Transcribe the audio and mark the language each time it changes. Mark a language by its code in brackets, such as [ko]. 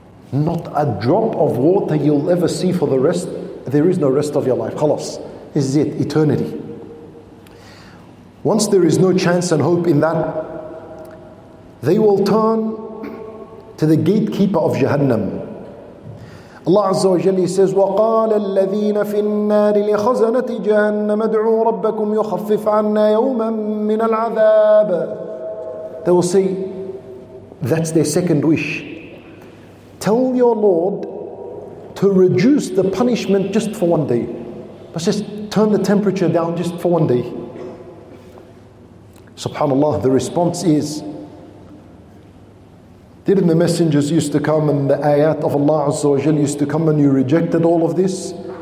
[en] Not a drop of water you'll ever see for the rest. There is no rest of your life. Khalas. This is it. Eternity. Once there is no chance and hope in that, they will turn to the gatekeeper of Jahannam. Allah Azza wa Jalla says, [ar] وَقَالَ الَّذِينَ فِي النَّارِ لِخَزَنَةِ جَهَنَّمَ ادْعُوا رَبَّكُمْ يُخَفِّفْ عَنَّا يَوْمًا مِّنَ الْعَذَابِ. [en] They will say, that's their second wish. Tell your Lord to reduce the punishment just for one day. But just turn the temperature down just for one day. SubhanAllah, the response is, didn't the messengers used to come and the ayat of Allah Azza wa Jal used to come and you rejected all of this?